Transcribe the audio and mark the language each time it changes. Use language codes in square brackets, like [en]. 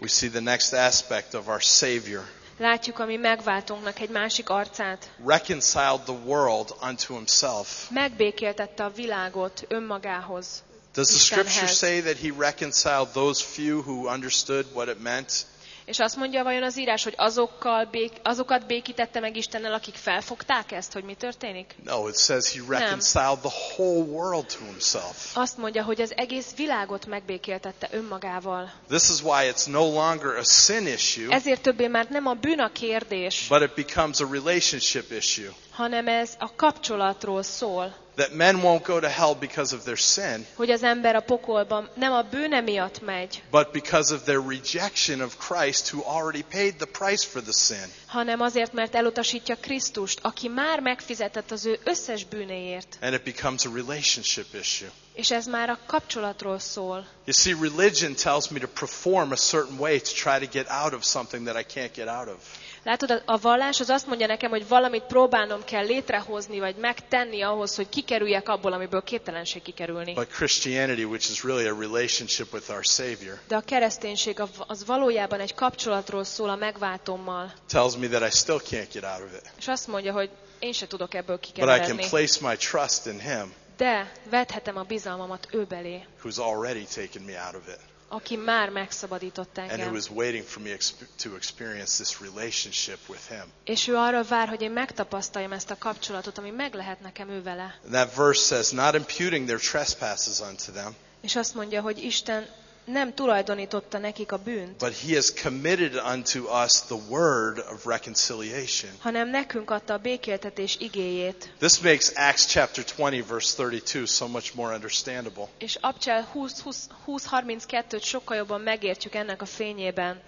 [en] We see the next aspect of our Savior. [hu] Látjuk a mi megváltónknak egy másik arcát. [en] Reconciled the world unto himself. [hu] Megbékéltette a világot önmagához. [en] Does the scripture say that he reconciled those few who understood what it meant? [hu] És azt mondja vajon az írás, hogy azokat békítette meg Istennel, akik felfogták ezt, hogy mi történik? [en] No, it says he reconciled the whole world to himself. [hu] Azt mondja, hogy az egész világot megbékéltette önmagával. [en] This is why it's no longer a sin issue. [hu] Ezért többé már nem a bűn a kérdés. [en] But it becomes a relationship issue. [hu] Hanem ez a kapcsolatról szól. [en] That men won't go to hell because of their sin. [hu] Hogy az ember a pokolban nem a bűne miatt megy. [en] But because of their rejection of Christ, who already paid the price for the sin. [hu] Hanem azért, mert elutasítja Krisztust, aki már megfizetett az ő összes bűneért. [en] And it becomes a relationship issue. [hu] És ez már a kapcsolatról szól. [en] You see, religion tells me to perform a certain way to try to get out of something that I can't get out of. [hu] Látod, a vallás az azt mondja nekem, hogy valamit próbálnom kell létrehozni, vagy megtenni ahhoz, hogy kikerüljek abból, amiből képtelenség kikerülni. [en] But Christianity, which is really a relationship with our Savior, [hu] de a kereszténység az valójában egy kapcsolatról szól a megváltómmal. [en] Tells me that I still can't get out of it. [hu] És azt mondja, hogy én se tudok ebből kikerülni. [en] But I can place my trust in him, [hu] de vethetem a bizalmamat ő belé, [en] who's already taken me out of it. [hu] Aki már megszabadított engem. [en] And he was waiting for me to experience this relationship with him. [hu] És ő arra vár, hogy én megtapasztaljam ezt a kapcsolatot, ami meg lehet nekem ő vele. [en] That verse says, not imputing their trespasses unto them. [hu] És azt mondja, hogy Isten nem tulajdonította nekik a bűnt. [en] But he has committed unto us the word of reconciliation. [hu] Hanem nekünk adta a békéltetés igéjét. [en] This makes Acts chapter 20 verse 32 so much more understandable. [hu] És Apcsel 20:32-t sokkal jobban megértjük ennek a fényében.